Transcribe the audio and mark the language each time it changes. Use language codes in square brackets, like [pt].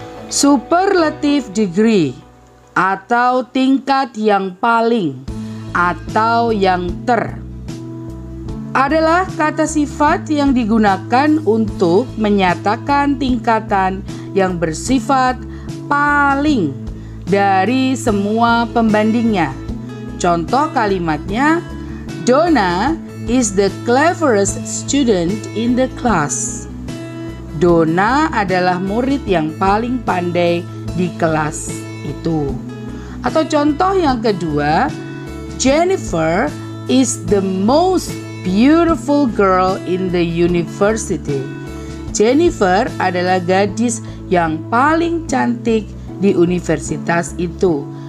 [id] Superlative degree atau tingkat yang paling atau yang ter adalah kata sifat yang digunakan untuk menyatakan tingkatan yang bersifat paling dari semua pembandingnya. Contoh kalimatnya, [en] Donna is the cleverest student in the class. [id] Donna adalah murid yang paling pandai di kelas itu. Atau contoh yang kedua, [en] Jennifer is the most beautiful girl in the university. [id] Jennifer adalah gadis yang paling cantik di universitas itu.